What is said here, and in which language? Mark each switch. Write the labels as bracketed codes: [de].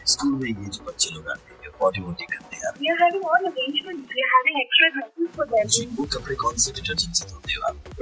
[hi] School में ये जो बच्चे लोग आते हैं, body body करते हैं यार। [en] We are having all arrangements. We are having extra classes for them. [hi] जी, वो कपड़े कौन से detergent से धोते हो आप?